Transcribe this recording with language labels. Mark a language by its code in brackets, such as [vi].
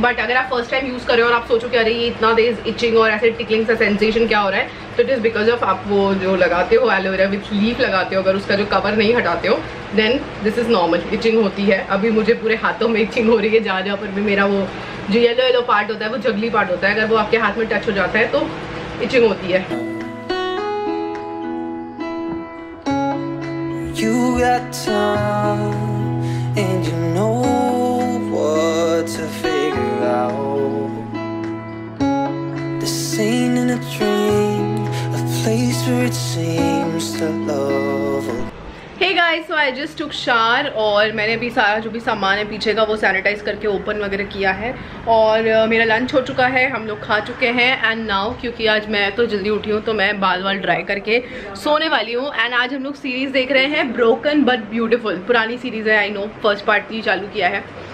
[hi] But अगर आप [en] first time use [hi] कर रहे हो और आप सोचो कि अरे ये इतना तेज इचिंग और ऐसे टिकलिंग सा सेंसेशन क्या हो रहा है, तो [en] it is because of [hi] आप वो जो लगाते हो एलोवेरा विथ लीफ लगाते हो, अगर उसका जो कवर नहीं हटाते हो [en] then this is normal, [hi] etching होती है. अभी मुझे पूरे हाथों में इचिंग हो रही है, जहाँ जहाँ पर भी मेरा वो जो येलो येलो पार्ट होता है वो जगली पार्ट होता है, अगर वो आपके हाथ में टच हो जाता है तो इचिंग होती है. [en] You got time and you know what to figure out. The scene in a dream, a place where it seems to love. Hey guys, so I just took shower [hi] और मैंने अभी सारा जो भी सामान है पीछे का वो sanitize करके open वगैरह किया है. और मेरा lunch हो चुका है, हम लोग खा चुके हैं. [en] and now [hi] क्योंकि आज मैं तो जल्दी उठी हूँ तो मैं बाल वाल dry करके सोने वाली हूँ. and आज हम लोग series देख रहे हैं, broken but beautiful, पुरानी series है, [en] I know first part [hi] ही चालू किया है.